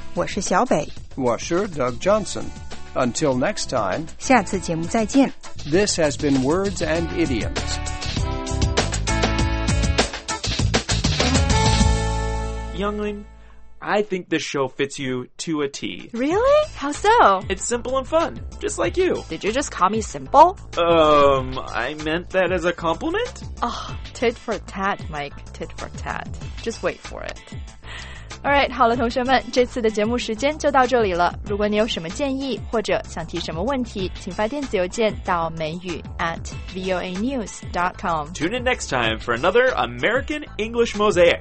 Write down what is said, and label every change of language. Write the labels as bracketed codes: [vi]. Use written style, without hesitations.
[zh] 我是小北。我是 Doug Johnson。 [en] Until next time, [zh] 下次节目再见。 [en] This has been Words and Idioms. Younglin, I think this show fits you to a T. Really? How so? It's simple and fun, just like you. Did you just call me simple? I meant that as a compliment? Oh, tit for tat, Mike, tit for tat. Just wait for it. [zh] Alright, 好了同学们，这次的节目时间就到这里了。如果你有什么建议或者想提什么问题，请发电子邮件到美语@voanews.com. [en] Tune in next time for another American English Mosaic.